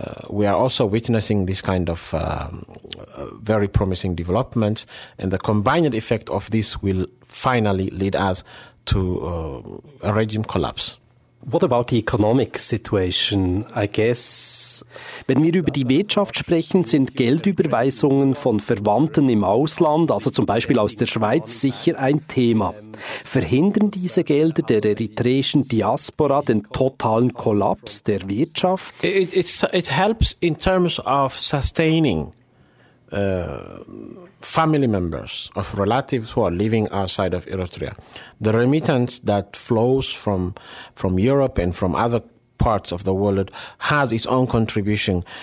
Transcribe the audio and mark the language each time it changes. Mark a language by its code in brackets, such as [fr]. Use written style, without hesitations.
[en] We are also witnessing this kind of very promising developments. And the combined effect of this will finally lead us to a regime collapse. What about the economic situation? I guess, [de] wenn wir über die Wirtschaft sprechen, sind Geldüberweisungen von Verwandten im Ausland, also zum Beispiel aus der Schweiz, sicher ein Thema. Verhindern diese Gelder der eritreischen Diaspora den totalen Kollaps der Wirtschaft? [en] It helps in terms of sustaining family members of relatives who are living outside of Eritrea. The remittance that flows from Europe and from other parts of the world has its own contribution